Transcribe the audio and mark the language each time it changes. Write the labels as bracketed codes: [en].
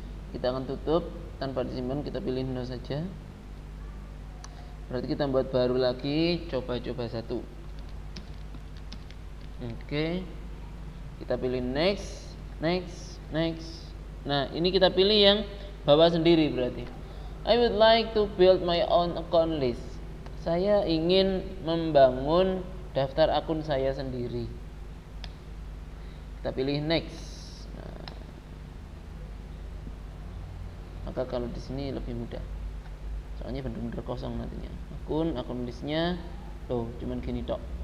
[id] Kita akan tutup tanpa disimpan, kita pilih nol saja. Berarti kita buat baru lagi, coba-coba satu. Oke. Kita pilih next, next, next. Nah, ini kita pilih yang bawa sendiri berarti. [en] I would like to build my own account list. [id] Saya ingin membangun daftar akun saya sendiri. Kita pilih next. Nah. Maka kalau di sini lebih mudah. Soalnya benar-benar kosong nantinya. Akun listnya tuh cuman gini tok.